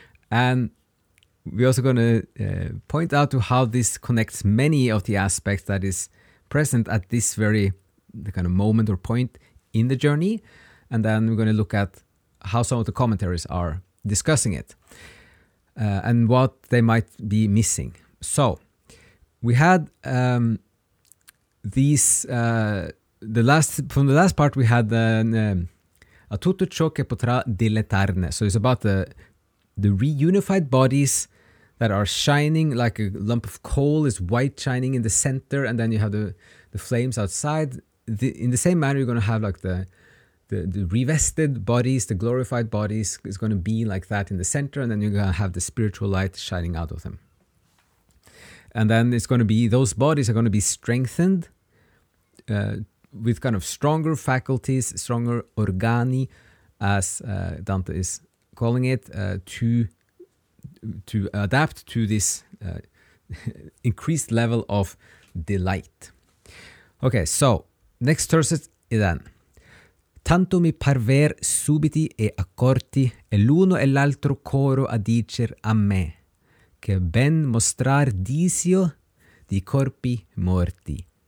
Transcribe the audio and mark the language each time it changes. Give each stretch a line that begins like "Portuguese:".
English: And we're also going to point out to how this connects many of the aspects that is present at this very the kind of moment or point in the journey. And then we're going to look at how some of the commentaries are discussing it and what they might be missing. So we had
Italian: a tutto ciò che potrà dilettarne.
English: So it's about the reunified bodies that are shining like a lump of coal is white shining in the center, and then you have the flames outside. In the same manner, you're going to have like the revested bodies, the glorified bodies is going to be like that in the center, and then you're going to have the spiritual light shining out of them. And then it's going to be, those bodies are going to be strengthened with kind of stronger faculties, stronger organi, as Dante is calling it, to adapt to this increased level of delight. Okay, so next verse is then.
Italian: Tanto mi parver subiti e accorti e l'uno e l'altro coro a dicer a me che ben mostrar disio di corpi morti.